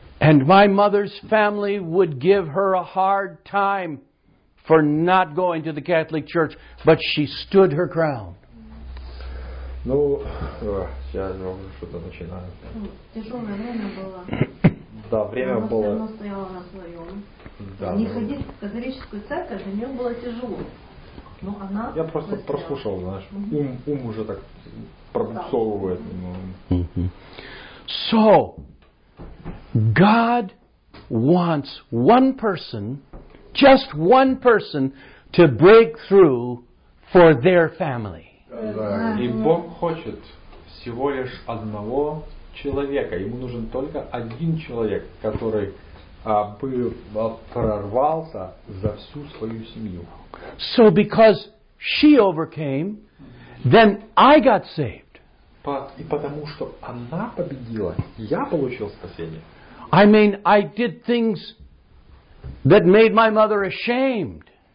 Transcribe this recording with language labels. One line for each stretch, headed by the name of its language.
English: And my mother's family would give her a hard time for not going to the Catholic Church, but she stood her ground.
Russian: Ну, сейчас я уже что-то начинаю. Тяжелое время было. Да, время было. Она стояла на своем. Да. Не ходить в католическую церковь, для нее было тяжело. Но я просто выстрела. Прослушал, знаешь, ум уже так пробуксовывает.
English: So, God wants one person, just one person, to break through for their family.
Russian: Да, и Бог хочет всего лишь одного человека. Ему нужен только один человек, который прорвался за всю свою семью.
English: So because she overcame, then I got saved.
Russian: И потому что она победила, я получил спасение.
English: I mean, I did things that made my mother ashamed.